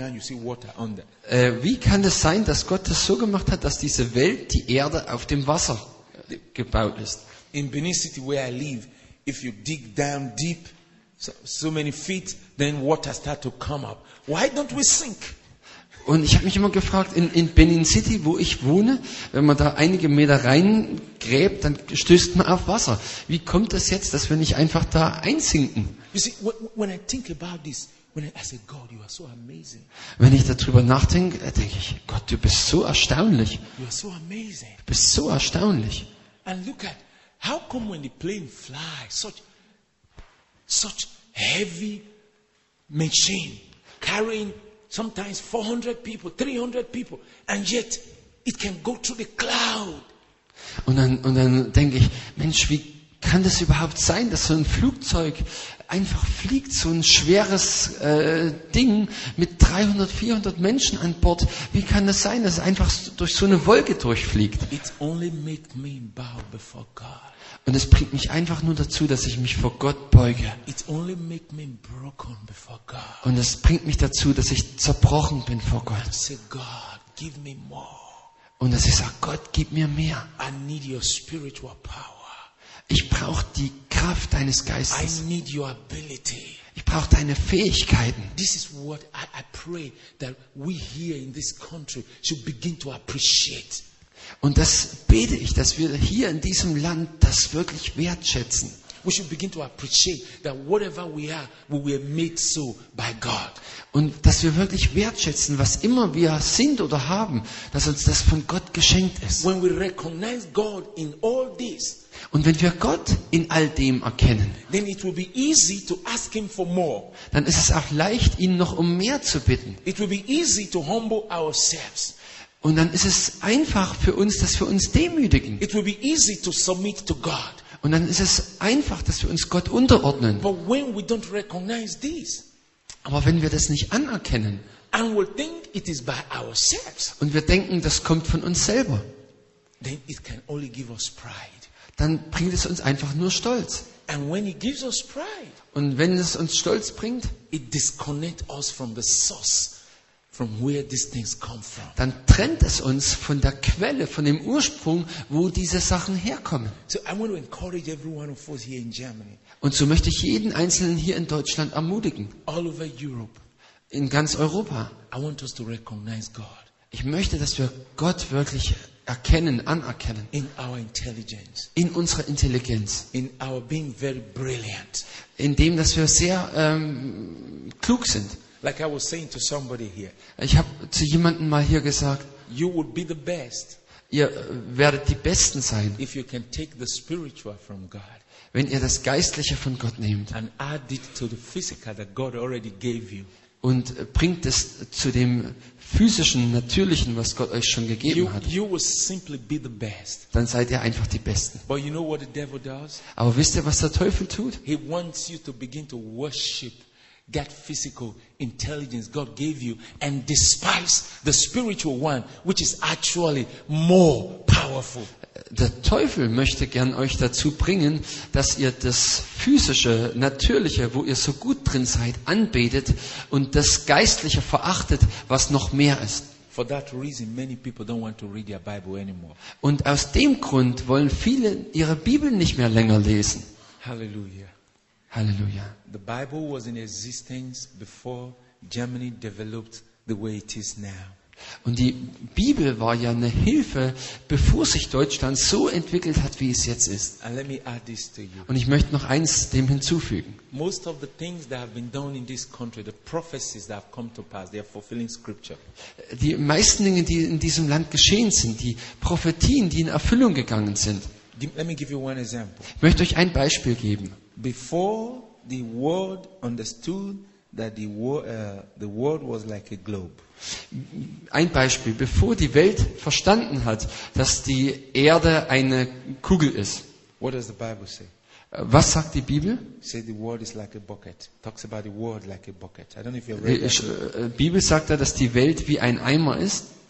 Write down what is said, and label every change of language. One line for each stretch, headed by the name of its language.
German: Wie kann es sein, dass Gott das so gemacht hat, dass diese Welt, die Erde, auf dem Wasser gebaut ist?
English: In Benin City, where I live, if you dig down deep, so many feet, then water start to come up. Why don't we sink?
German: Und ich habe mich immer gefragt, in Benin City, wo ich wohne, wenn man da einige Meter reingräbt, dann stößt man auf Wasser. Wie kommt das jetzt, dass wir nicht einfach da einsinken?
English: You see, when I think about this, I say, God, you are so amazing.
German: Wenn ich darüber nachdenke, denke ich, Gott, du bist so erstaunlich.
English: You are so amazing.
German: Du bist so erstaunlich.
English: And look at, how come when the plane flies, such heavy machine carrying sometimes 400 people, 300 people, and yet it can go through the cloud.
German: Und dann denke ich, Mensch, wie kann das überhaupt sein, dass so ein Flugzeug einfach fliegt, so ein schweres Ding mit 300, 400 Menschen an Bord? Wie kann das sein, dass es einfach durch so eine Wolke durchfliegt?
English: It only made me bow before God.
German: Und es bringt mich einfach nur dazu, dass ich mich vor Gott beuge.
English: It only made me broken before God.
German: Und es bringt mich dazu, dass ich zerbrochen bin vor Gott.
English: I say, God, give me more.
German: Und dass ich sage, Gott, gib mir mehr.
English: I need your spiritual power.
German: Ich brauche die Kraft deines Geistes.
English: I need your ability.
German: Ich brauche deine Fähigkeiten.
English: This is what I pray that we here in this country should begin to appreciate.
German: Und das bete ich, dass wir hier in diesem Land das wirklich wertschätzen.
English: We should begin to appreciate that whatever we are, we were made so by God.
German: Und dass wir wirklich wertschätzen, was immer wir sind oder haben, dass uns das von Gott geschenkt ist.
English: When we recognize God in all this,
German: und wenn wir Gott in all dem erkennen,
English: then it will be easy to ask him for more.
German: Dann ist es auch leicht, ihn noch um mehr zu bitten.
English: It will be easy to humble ourselves.
German: Und dann ist es einfach für uns, dass wir uns demütigen.
English: It will be easy to submit to God.
German: Und dann ist es einfach, dass wir uns Gott unterordnen.
English: But when we don't recognize this,
German: aber wenn wir das nicht anerkennen,
English: and we think it is by ourselves,
German: und wir denken, das kommt von uns selber,
English: then it can only give us pride.
German: Dann bringt es uns einfach nur Stolz.
English: And when it gives us pride,
German: und wenn es uns Stolz bringt,
English: it disconnects us from the source. From where these things come from.
German: Dann trennt es uns von der Quelle, von dem Ursprung, wo diese Sachen herkommen.
English: So I want to encourage everyone of us here in Germany.
German: Und so möchte ich jeden Einzelnen hier in Deutschland ermutigen.
English: All over Europe.
German: In ganz Europa.
English: I want us to recognize God.
German: Ich möchte, dass wir Gott wirklich erkennen, anerkennen.
English: In our intelligence.
German: In unserer Intelligenz.
English: In our being very brilliant.
German: In dem, dass wir sehr klug sind.
English: Like I was saying to somebody here.
German: Ich habe zu jemandem mal hier gesagt,
English: you would be the best.
German: Ihr werdet die besten sein.
English: If you can take the spiritual from God.
German: Wenn ihr das Geistliche von Gott nehmt.
English: And add it to the physical that God already gave you.
German: Und bringt es zu dem physischen, natürlichen, was Gott euch schon gegeben hat.
English: You will simply be the best.
German: Dann seid ihr einfach die besten.
English: But you know what the devil does?
German: Aber wisst ihr, was der Teufel tut?
English: He wants you to begin to worship that physical intelligence God gave you and despise the spiritual one, which is actually more powerful.
German: Der Teufel möchte gern euch dazu bringen, dass ihr das physische, natürliche, wo ihr so gut drin seid, anbetet und das Geistliche verachtet, was noch mehr ist.
English: For that reason, many people don't want to read their Bible anymore.
German: Und aus dem Grund wollen viele ihre Bibel nicht mehr länger lesen.
English: Hallelujah.
German: Hallelujah.
English: The Bible was in existence before Germany developed the way it is now.
German: Und die Bibel war ja eine Hilfe, bevor sich Deutschland so entwickelt hat, wie es jetzt ist.
English: And let me add this to you.
German: Und ich möchte noch eins dem hinzufügen.
English: Most of the things that have been done in this country, the prophecies that have come to pass, they are fulfilling scripture.
German: Die meisten Dinge, die in diesem Land geschehen sind, die Prophetien, die in Erfüllung gegangen sind.
English: Let me give you one example.
German: Ich möchte euch ein Beispiel geben.
English: Before the world understood that the world was like a globe.
German: Ein Beispiel, bevor die Welt verstanden hat, dass die Erde eine Kugel ist.
English: What does the Bible say?
German: Was sagt die Bibel?
English: Say the world is like a bucket. Talks about the world like a bucket. I don't know if you've read that.
German: Bibel sagt da, dass die Welt wie ein Eimer ist.